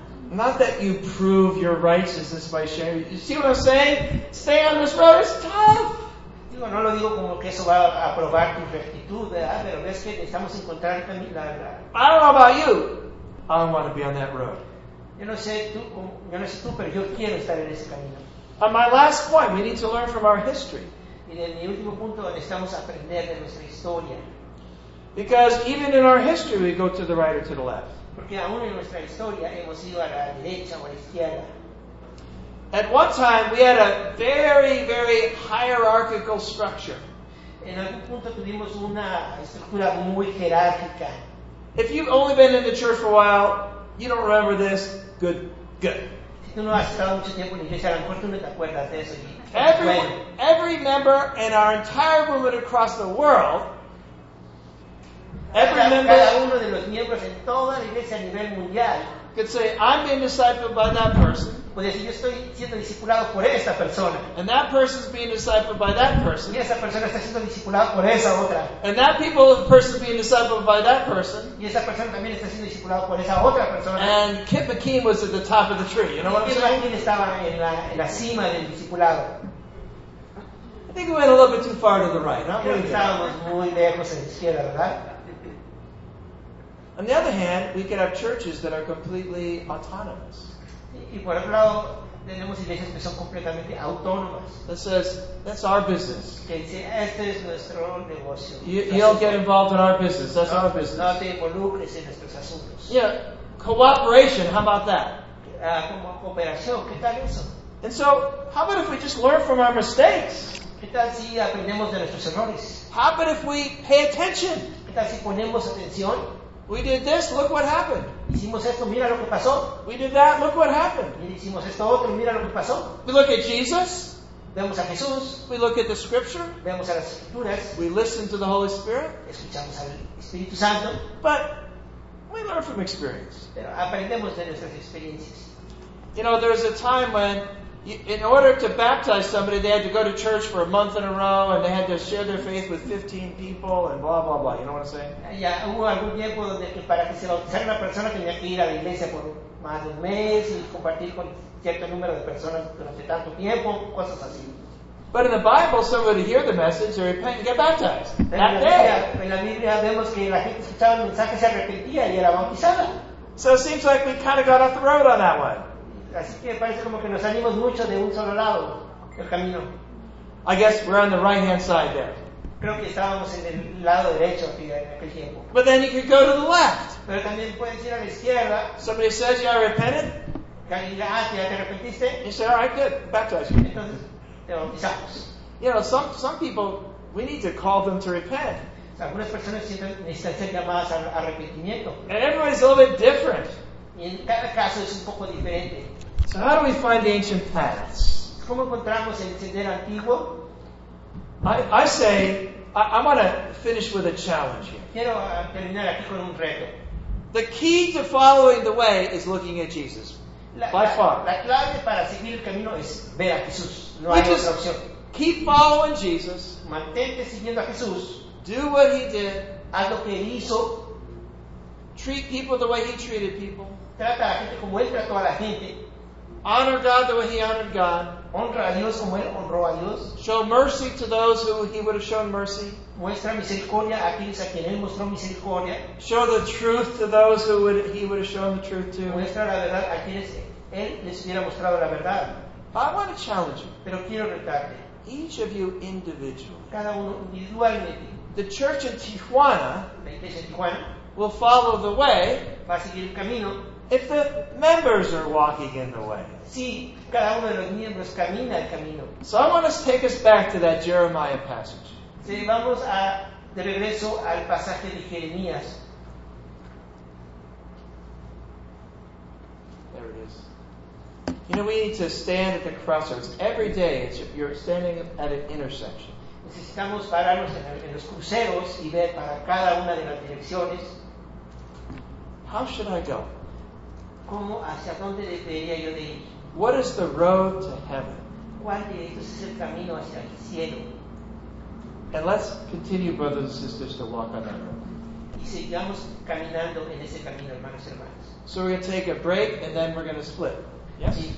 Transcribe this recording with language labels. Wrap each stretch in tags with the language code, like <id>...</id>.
<en>Not that you prove your righteousness by sharing. You see what I'm saying? Staying on this road is tough.</en> <es>Digo, no lo digo como que eso va a probar tu rectitud, ¿verdad? Pero es que necesitamos encontrar también la, la...</es> <en>I don't know about you. I don't want to be on that road.</en> <es>Yo no sé tú, pero yo quiero estar en ese camino.</es> <en>And my last point, we need to learn from our history.</en> <es>Y en mi último punto, necesitamos aprender de nuestra historia.</es> <en>Because even in our history, we go to the right or to the left.</en> <es>Porque aún en nuestra historia, hemos ido a la derecha o a la izquierda.</es> <en>At one time, we had a very, very hierarchical structure.</en> <es>En algún punto tuvimos una estructura muy jerárquica.</es> <en>If you've only been in the church for a while, you don't remember this. Good, good.</en> <es>Si tú no has estado mucho tiempo en la iglesia, a lo mejor tú no te acuerdas de eso.</es> <en>Every member in our entire movement across the world,</en> <es>cada uno de los miembros en toda la iglesia a nivel mundial,</es> <en>could say, I'm being discipled by that person.</en> <es>Puede decir, yo estoy siendo discipulado por esta persona.</es> <en>And that person's being discipled by that person.</en> <es>Y esa persona está siendo discipulada por esa otra.</es> <en>And that person's being discipled by that person.</en> <es>Y esa persona también está siendo discipulada por esa otra persona.</es> <en>And Kip McKean was at the top of the tree. You know what I'm saying?</en> <es>Kip McKean estaba en la cima del discipulado.</es> <en>I think we went a little bit too far to the right.</en> <es>Creo que estábamos muy lejos en la izquierda, ¿verdad?</es> <en>On the other hand, we could have churches that are completely autonomous.</en> <es>Y por otro lado, tenemos iglesias que son completamente autónomas.</es> <en>That says, that's our business.</en> <es>Que dice, este es nuestro negocio.</es> <en>You don't get involved in our business. That's our business.</en> <es>No te involucres en nuestros asuntos.</es> <en>Yeah, cooperation, how about that?</en> <es>Como cooperación, ¿qué tal eso?</es> <en>And so, how about if we just learn from our mistakes?</en> <es>¿Qué tal si aprendemos de nuestros errores?</es> <en>How about if we pay attention?</en> <es>¿Qué tal si ponemos atención?</es> <en>We did this, look what happened.</en> <es>Hicimos esto, mira lo que pasó.</es> <en>We did that, look what happened.</en> <es>Hicimos esto otro, mira lo que pasó.</es> <en>We look at Jesus.</en> <es>Vemos a Jesús.</es> <en>We look at the scripture.</en> <es>Vemos a las escrituras.</es> <en>We listen to the Holy Spirit.</en> <es>Escuchamos al Espíritu Santo.</es> <en>But we learn from experience.</en> <es>Pero aprendemos de nuestras experiencias.</es> <en>You know, there was a time when in order to baptize somebody, they had to go to church for a month in a row, and they had to share their faith with 15 people, and blah, blah, blah. You know what I'm saying?</en> <es>Yeah, hubo algún tiempo donde para que se bautizara una persona tenía que ir a la iglesia por más de un mes y compartir con cierto número de personas durante tanto tiempo, cosas así.</es> <en>But in the Bible, somebody would hear the message, they repent, and get baptized.</en> <es>En la Biblia vemos que la gente escuchaba el mensaje, se arrepentía y era bautizada.</es> <en>So it seems like we kind of got off the road on that one.</en> <es>Así que parece como que nos salimos mucho de un solo lado el camino.</es> <en>I guess we're on the right hand side there.</en> <es>Creo que estábamos en el lado derecho en aquel tiempo.</es> <en>But then you could go to the left.</en> <es>Pero también puedes ir a la izquierda.</es> <en>Somebody says you are repented.</en> <es>¿Ya te arrepentiste?</es> <en>You say, all right, good, baptize you.</en> <es>Entonces, te bautizamos.</es> <en>You know, some people, we need to call them to repent.</en> <es>Algunas personas necesitan ser llamadas al arrepentimiento.</es> <en>And everybody's a little bit different.</en> <es>Y en cada caso es un poco diferente.</es> <en>So how do we find the ancient paths?</en> <es>¿Cómo encontramos el sendero antiguo?</es> <en>I want to finish with a challenge here.</en> <es>Quiero terminar aquí con un reto.</es> <en>The key to following the way is looking at Jesus.</en> <es>La clave para seguir el camino es ver a Jesús. No hay otra opción.</es> <en>Keep following Jesus.</en> <es>Mantente siguiendo a Jesús.</es> <en>Do what he did.</en> <es>Haz lo que él hizo.</es> <en>Treat people the way he treated people.</en> <es>Trata a la gente como él trató a la gente.</es> <en>Honor God the way he honored God.</en> <es>Honra a Dios como él honró a Dios.</es> <en>Show mercy to those who he would have shown mercy.</en> <es>Muestra misericordia a aquellos a quien él mostró misericordia.</es> <en>Show the truth to those who he would have shown the truth to.</en> <es>Muestra la verdad a quienes él les hubiera mostrado la verdad.</es> <en>But I want to challenge you.</en> <es>Pero quiero retarte.</es> <en>Each of you individually.</en> <es>Cada uno individualmente.</es> <en>The church in Tijuana.</en> <es>La iglesia en Tijuana.</es> <en>Will follow the way.</en> <es>Va a seguir el camino.</es> <en>If the members are walking in the way.</en> <es>Sí, cada uno de los miembros camina el camino.</es> <en>So I want to take us back to that Jeremiah passage.</en> <es>Sí, vamos a de regreso al pasaje de Jeremías.</es> <en>There it is. You know, we need to stand at the crossroads every day. You're standing at an intersection.</en> <es>Necesitamos pararnos en los cruceros y ver para cada una de las direcciones.</es> <en>How should I go?</en> <es>¿Cómo, hacia dónde debería yo de ir?</es> <en>What is the road to heaven?</en> <es>cuál de ellos es el camino hacia el cielo.</es> <en>And let's continue, brothers and sisters, to walk on that road.</en> <es>Y sigamos caminando en ese camino, hermanos y hermanas.</es> <en>So we're going to take a break and then we're going to split. Yes?</en>